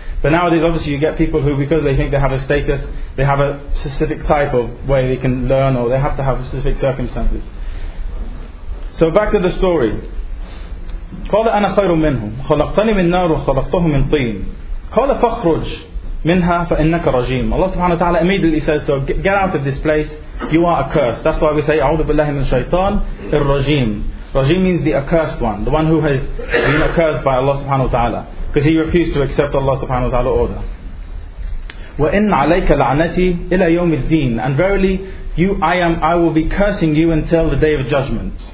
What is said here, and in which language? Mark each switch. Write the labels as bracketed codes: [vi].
[en] But nowadays obviously you get people who, because they think they have a status, they have a specific type of way they can learn, or they have to have specific circumstances. So back to the story. [ar] قَالَ أَنَا خَيْرٌ مِنْهُمْ خَلَقْتَنِي مِنْ نَارٍ وَخَلَقْتَهُ مِنْ طِينٍ قَالَ فَخْرُجْ مِنْهَا فَإِنَّكَ رَجِيمٌ. [en] Allah subhanahu wa ta'ala immediately says, so get out of this place, you are accursed. That's why we say [ar] أَعُوذُ بِاللَّهِ مِنْ شَيْطَانِ الرَّجِيمِ. [en] Rajim means the accursed one, the one who has been accursed by Allah subhanahu wa ta'ala, because he refused to accept Allah subhanahu wa ta'ala's order. [ar] وَإِنَّ عَلَيْكَ لَعْنَتِي إِلَى يَوْمِ الدِّينِ. [en] And verily, I will be cursing you until the day of judgment.